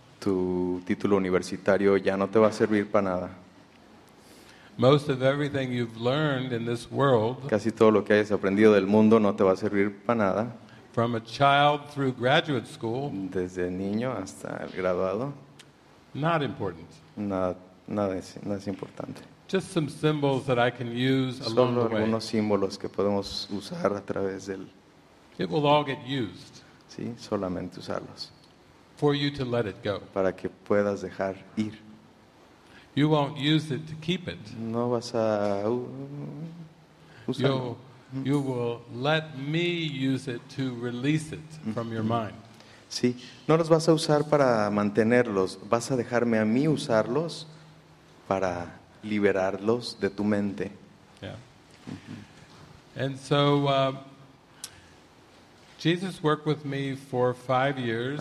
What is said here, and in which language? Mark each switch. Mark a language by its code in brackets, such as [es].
[es] tu título universitario ya no te va a servir para nada. [en] Most of everything you've learned in this world, [es] casi todo lo que hayas aprendido del mundo no te va a servir para nada. [en] From a child through graduate school, [es] desde niño hasta el graduado, [en] not important. [es] Nada es importante. [en] Just some symbols that I can use along the way. [es] Solo algunos símbolos que podemos usar a través del. [en] It will all get used. [es] Sí, solamente usarlos. [en] For you to let it go. [es] Para que puedas dejar ir. [en] You won't use it to keep it. [es] No vas a usarlo. [en] You will let me use it to release it from your mind. [es] Sí, no los vas a usar para mantenerlos. Vas a dejarme a mí usarlos para liberarlos de tu mente. [en] Yeah. And so Jesus worked with me for 5 years.